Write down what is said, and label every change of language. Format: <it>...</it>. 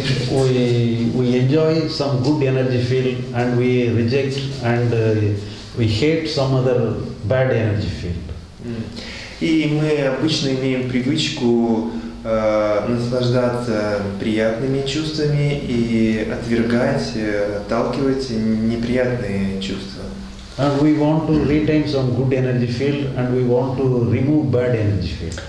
<en>We enjoy some good energy field and we reject and we hate some other bad energy field.</en> <ru>И мы обычно имеем привычку наслаждаться приятными чувствами и отталкивать неприятные чувства.</ru> <en>And we want to retain some good energy field, and we want to remove bad energy field.</en>